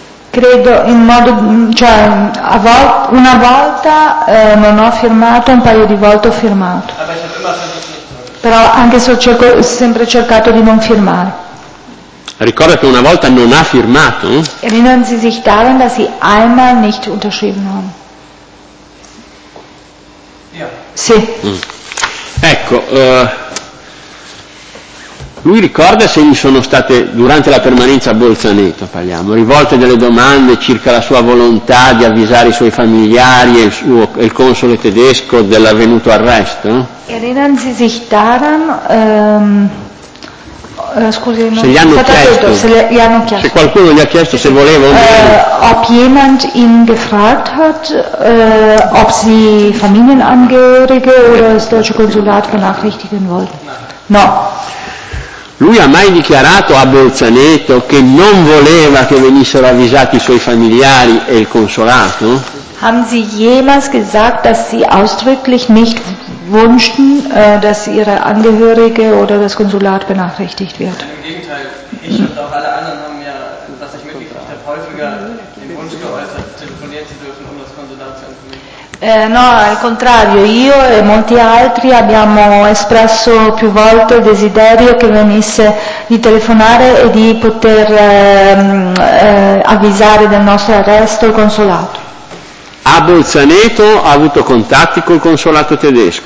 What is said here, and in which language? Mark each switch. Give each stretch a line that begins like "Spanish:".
Italian: Credo in modo, cioè una volta non ho firmato, un paio di volte ho firmato. Però anche se ho sempre cercato di non firmare. Ricorda che una volta non ha firmato?
German: Erinnern Sie sich daran, dass Sie einmal nicht unterschrieben haben? Ja.
Italian: Sì. Ecco, lui ricorda se gli sono state, durante la permanenza a Bolzaneto, rivolte delle domande circa la sua volontà di avvisare i suoi familiari e il console tedesco dell'avvenuto arresto?
German: Erinnern Sie sich daran,
Italian: scusi, non se gli hanno chiesto, se le, gli hanno chiesto, se qualcuno gli ha chiesto se voleva o meno.
German: Ob jemand ihn gefragt hat, ob sie Familienangehörige oder das deutsche Konsulat benachrichtigen wollte.
Italian: No. Lui ha mai dichiarato a Bolzaneto che non voleva che venissero avvisati i suoi familiari e il consolato?
German: Haben Sie jemals gesagt, dass Sie ausdrücklich nicht wünschten, dass Ihre Angehörige oder das Konsulat benachrichtigt wird? Im Gegenteil, ich und auch alle anderen haben ja, was ich mitgekriegt habe, häufiger den Wunsch geäußert, telefoniert zu dürfen, um das Konsulat zu informieren.
Italian: No, al contrario, io e molti altri abbiamo espresso più volte il desiderio che venisse di telefonare e di poter avvisare del nostro arresto il consolato. A Bolzaneto ha avuto contatti col consolato tedesco.